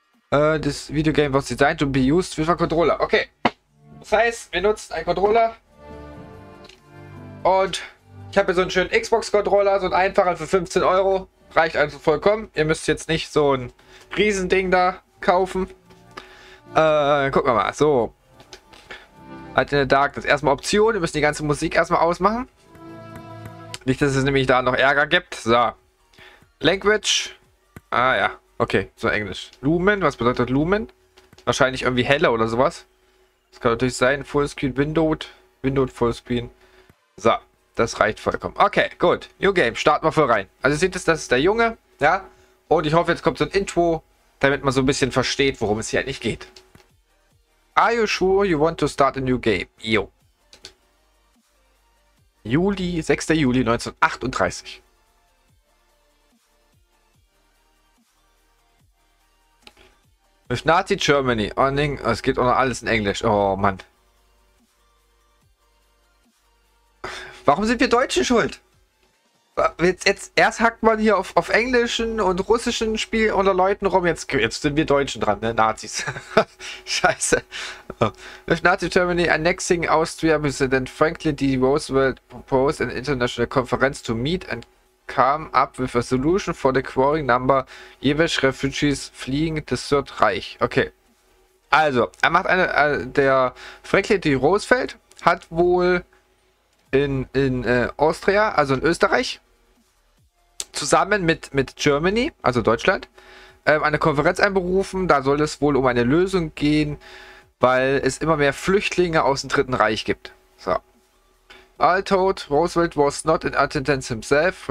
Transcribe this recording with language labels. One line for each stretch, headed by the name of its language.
English: Das Videogame was designed to be used with a controller.
German: Okay. Das heißt, wir nutzen einen Controller. Und ich habe hier so einen schönen Xbox-Controller, so einen einfachen für 15 Euro. Reicht also vollkommen. Ihr müsst jetzt nicht so ein Riesending da kaufen. Gucken wir mal. So. Light in the Darkness. Erstmal Option. Wir müssen die ganze Musik erstmal ausmachen. Nicht, dass es nämlich da noch Ärger gibt. So. Language. Ah ja, okay, so Englisch. Lumen, was bedeutet Lumen? Wahrscheinlich irgendwie heller oder sowas. Das kann natürlich sein, Fullscreen, Windowed Fullscreen. So, das reicht vollkommen. Okay, gut, New Game, starten wir voll rein. Also ihr seht es, das ist der Junge, ja. Und ich hoffe, jetzt kommt so ein Intro, damit man so ein bisschen versteht, worum es hier eigentlich geht.
English: Are you sure you want to start a new game? Yo.
German: Juli, 6. Juli 1938. Nazi Germany. Oh, nee. Es geht auch noch alles in Englisch. Oh, Mann. Warum sind wir Deutschen schuld? Jetzt erst hackt man hier auf englischen und russischen Spiel unter Leuten rum. Jetzt sind wir Deutschen dran, ne? Nazis. Scheiße.
English: With Nazi Germany annexing Austria, President Franklin D. Roosevelt proposed an international conference to meet and came up with a solution for the quarrying number Jewish refugees fleeing the Third Reich.
German: Okay. Also, er macht eine. Der Franklin D. Roosevelt hat wohl in Austria, also in Österreich, zusammen mit Germany, also Deutschland, eine Konferenz einberufen. Da soll es wohl um eine Lösung gehen, weil es immer mehr Flüchtlinge aus dem Dritten Reich gibt. So.
English: All told, Roosevelt was not in attendance himself.